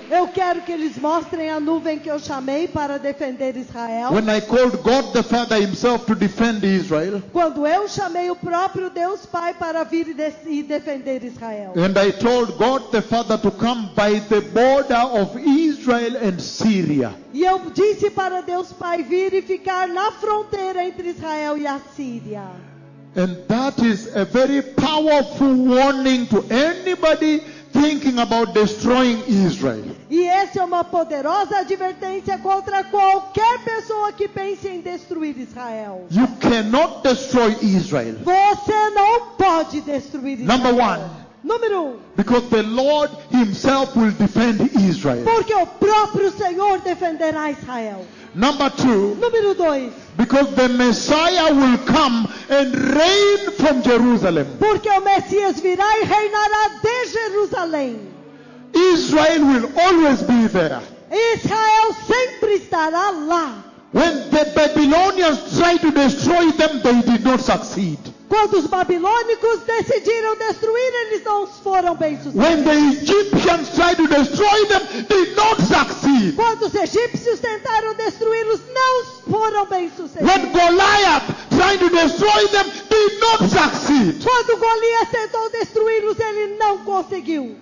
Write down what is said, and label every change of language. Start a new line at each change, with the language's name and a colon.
Portuguese: Eu quero que eles mostrem a nuvem que eu chamei para defender Israel.
English: When I called God the Father himself to defend Israel.
Portuguese: Quando eu chamei o próprio Deus Pai para vir e defender Israel.
English: And I told God the Father to come by the border of Israel and Syria.
Portuguese: E eu disse para Deus Pai vir e ficar na fronteira entre Israel e a Síria.
English: And that is a very powerful warning to anybody thinking about destroying Israel.
Portuguese: E essa é uma poderosa advertência contra qualquer pessoa que pense em destruir Israel.
English: You cannot destroy Israel.
Portuguese: Você não pode destruir Israel.
English: Number one.
Portuguese: Número 1.
English: Because the Lord himself will defend Israel.
Portuguese: Porque o próprio Senhor defenderá Israel.
English: Number 2.
Portuguese: Número 2.
English: Because the Messiah will come and reign from Jerusalem.
Portuguese: Porque o Messias virá e reinará de Jerusalém.
English: Israel will always be there.
Portuguese: Israel sempre estará lá.
English: When the Babylonians tried to destroy them, they did not succeed.
Portuguese: Quando os babilônicos decidiram destruir, eles não foram bem-sucedidos.
English: When the Egyptians tried to destroy them, they did not succeed.
Portuguese: Quando os egípcios tentaram destruí-los, não foram bem-sucedidos.
English: When Goliath tried to destroy them, they did not succeed.
Portuguese: Quando Golias tentou destruí-los, ele não conseguiu.